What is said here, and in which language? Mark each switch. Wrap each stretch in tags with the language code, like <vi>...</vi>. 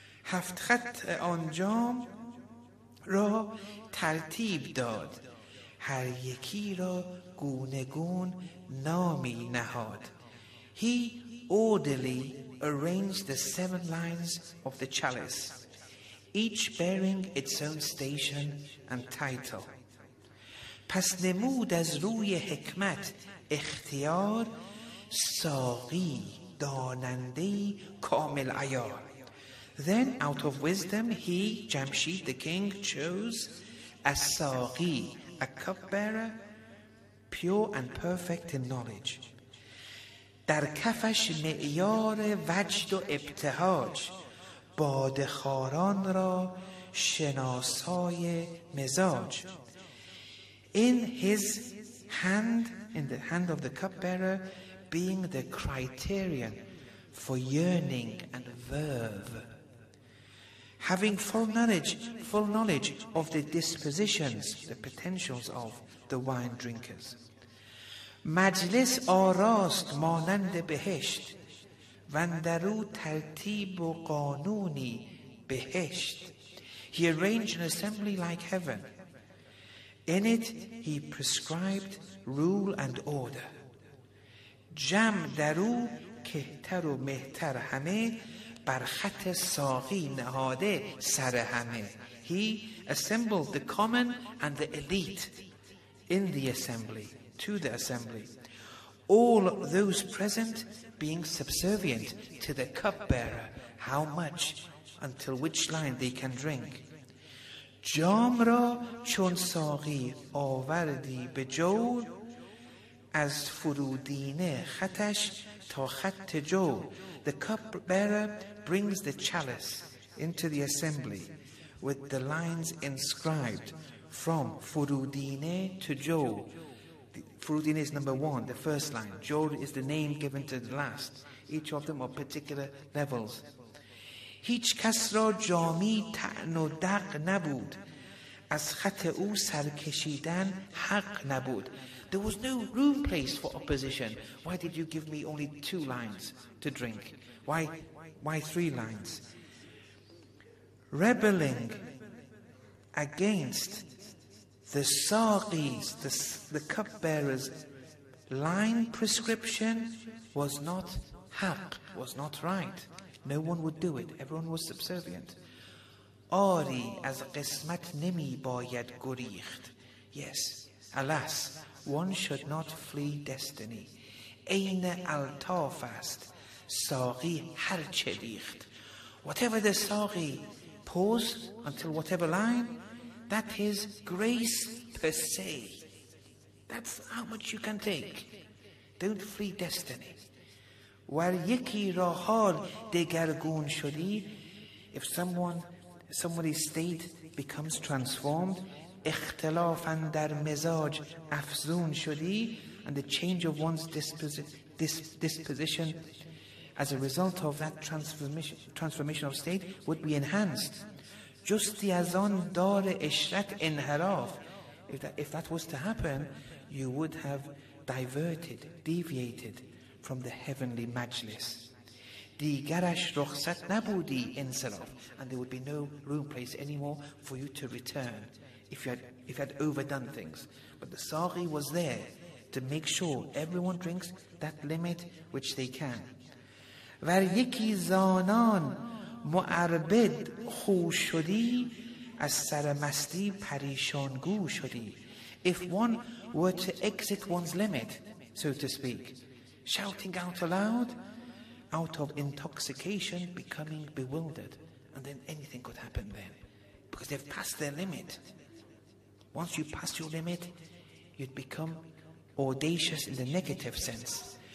<fa>Haftchat anjam ra tartib dad, har yeki ra gunegun nami nahad.</fa> <en>He orderly arranged the 7 lines of the chalice, each bearing its own station and title.</en> <fa>پس نمود از روی حکمت اختیار ساقی داننده کامل عیار.</fa> <en>Then out of wisdom he, Jamshid the king, chose a ساقی, a cupbearer, pure and perfect in knowledge.</en> <fa>در کفش معیار وجد و ابتهاج بادخاران را شناسای مزاج.</fa> <en>In his hand, in the hand of the cupbearer, being the criterion for yearning and verve. Having full knowledge of the dispositions, the potentials of the wine drinkers.</en> <fa>مجلس آراست مانند بهشت وندرو ترتیب و قانونی بهشت.</fa> <en>He arranged an assembly like heaven. In it he prescribed rule and order.</en> <fa>جم درو کهتر و مهتر همه بر خط ساقی نهاده سر همه.</fa> <en>He assembled the common and the elite in the assembly, to the assembly. All those present being subservient to the cupbearer, how much, until which line they can drink.</en> <fa>جام را چون ساقی آوردی به جور، از فرودینه خطش تا خط جور.</fa> <en>The cupbearer brings the chalice into the assembly with the lines inscribed from فرودینه to جور. فرودینه is number one, the first line. جور is the name given to the last. Each of them are particular levels.</en> <fa>هیچ کس را جامی تن و دق نبود، از خط او سر کشیدن حق نبود.</fa> <en>There was no room place for opposition. Why did you give me only two lines to drink? Why three lines? Rebelling against the saqis, the cupbearers' line prescription was not haq, was not right. No one would do it. Everyone was subservient.</en> <fa>آری از قسمت نمی باید گریخت.</fa> <en>Yes, alas, one should not flee destiny.</en> <fa>این الطاف است ساقی هر چه ریخت.</fa> <en>Whatever the saqi pours until whatever line, that is grace per se. That's how much you can take. Don't flee destiny.</en> <fa>ور یکی را حال دگرگون شدی.</fa> <en>If somebody's state becomes transformed,</en> <fa>اختلاف اندر مزاج افزون شدی,</fa> <en>and the change of one's disposition as a result of that transformation of state would be enhanced.</en> <fa>جستی از آن دار اشرت انحراف.</fa> <en>If that was to happen, you would have deviated from the heavenly majlis.</en> <fa>دیگرش رخصت نبودی انصراف,</fa> <en>and there would be no room place anymore for you to return if you had overdone things. But the saqi was there to make sure everyone drinks that limit which they can.</en> <fa>ور یکی زانان معربد خو شدی, از سر مستی پریشان گو شدی.</fa> <en>If one were to exit one's limit, so to speak, shouting out aloud, out of intoxication, becoming bewildered, and then anything could happen then, because they've passed their limit. Once you pass your limit, you'd become audacious in the negative sense.</en>